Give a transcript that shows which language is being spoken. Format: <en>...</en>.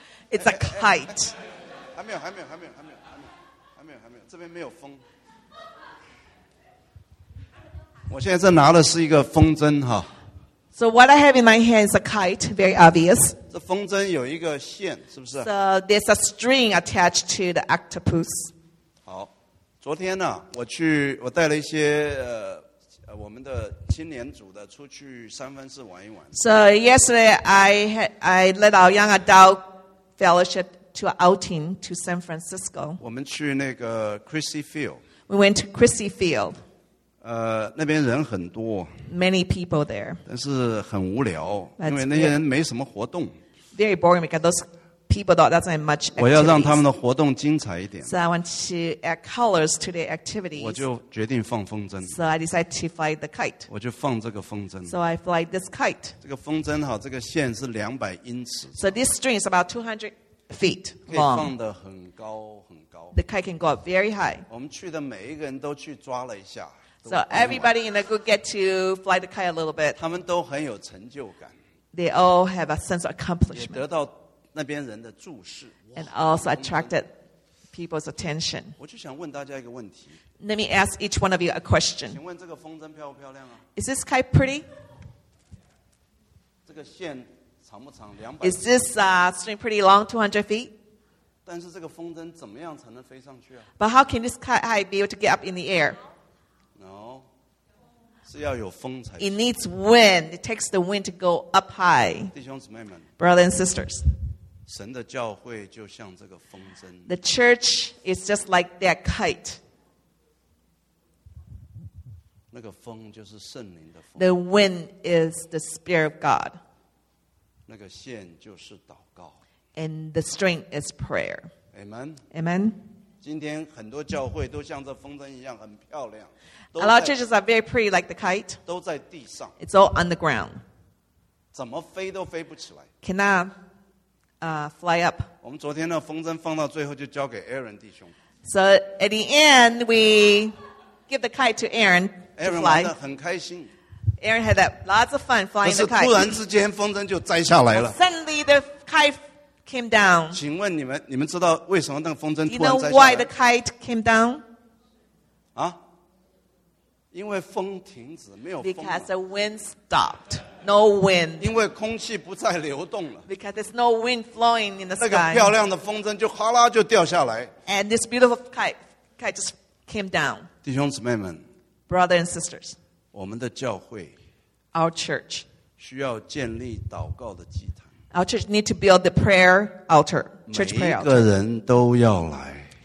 <en>It's a kite.</en> <zh>还没有，还没有，还没有，还没有，还没有，还没有，还没有，这边没有风。我现在这拿的是一个风筝哈。</zh> <en>So what I have in my hand is a kite, very obvious.</en> <zh>这风筝有一个线，是不是</zh> <en>？So there's a string attached to the octopus.</en> <zh>好，昨天呢，我带了一些我们的青年组的出去三藩市玩一玩。</zh> <en>So yesterday I led our young adult fellowship to an outing to San Francisco.</en> <zh>我们去那个 Chrissy Field.</zh> <en>We went to Chrissy Field.</en> <zh>那边人很多</zh> <en>，many people there，</en> <zh>但是很无聊，</zh> <en>That's、</en> <zh>因为那些人没什么活动。</zh> <en>Very boring because those people don't have much.、Activities.</en> <zh>我要让他们的活动精彩一点。</zh> <en>So I want to add colors to their activities.</en> <zh>我就决定放风筝。</zh> <en>So I decided to fly the kite.</en> <zh>我就放这个风筝。</zh> <en>So I fly this kite.</en> <zh>这个风筝哈，这个线是200英尺。</zh> <en>So this string is about 200 feet long.</en> <zh>可以放得很高很高。</zh> <en>The kite can go up very high.</en> <zh>我们去的每一个人都去抓了一下。</zh> <en>So everybody in the group get to fly the kite a little bit.</en> <zh>他们都很有成就感。</zh> <en>They all have a sense of accomplishment.</en> <zh>也得到那边人的注视。</zh> <en>And also attracted people's attention.</en> <zh>我就想问大家一个问题。</zh> <en>Let me ask each one of you a question.</en> <zh>请问这个风筝漂不漂亮啊？</zh> <en>Is this kite pretty?</en> <zh>这个线长不长？</zh> <en>Is this string pretty long? 200 feet?</en> <zh>但是这个风筝怎么样才能飞上去啊？</zh> <en>But how can this kite be able to get up in the air?</en> <zh>是要有风才</zh> <en>行。It needs wind. It takes the wind to go up high.</en> <zh>弟兄姊妹们</zh> <en>，brothers and sisters，</en> <zh>神的教会就像这个风筝。</zh> <en>The church is just like that kite.</en> <zh>那个风就是圣灵的风。</zh> <en>The wind is the spirit of God.</en> <zh>那个线就是祷告。</zh> <en>And the string is prayer. Amen. Amen.</en> <zh>今天很多教会都像这风筝一样很漂亮。</zh> <en>A lot of churches are very pretty like the kite.</en> <zh>都在地上。</zh> <en>It's all on the ground.</en> <zh>怎么飞都飞不起来。</zh> <en>Cannot fly up.</en> <zh>我们昨天的风筝放到最后就交给 Aaron 弟兄。</zh> <en>So at the end, we give the kite to Aaron to Aaron</en> <zh>Aaron 玩得很开心。</zh> <en>Aaron had lots of fun flying the kite.</en> <zh>突然之间风筝就摘下来了。</zh> <en>Suddenly the kite came down.</en> <zh>请问你们知道为什么那个风筝突然</zh> <en>摘下来？ Do you know why the kite came down?</en> <zh>啊？因为风停止，没有风了。</zh> <en>Because the wind stopped. No wind.</en> <zh>因为空气不再流动了。</zh> <en>Because there's no wind flowing in the sky.</en> <zh>那个漂亮的风筝就哗啦就掉下来。</zh> <en>And this beautiful kite just came down.</en> <zh>弟兄姊妹们</zh> <en>，Brothers and sisters，</en> <zh>我们的教会</zh> <en>，Our church，</en> <zh>需要建立祷告的祭坛。</zh> <en>Our church needs to build the prayer altar. Church prayer altar.</en> <zh>每一个人都要来。</zh>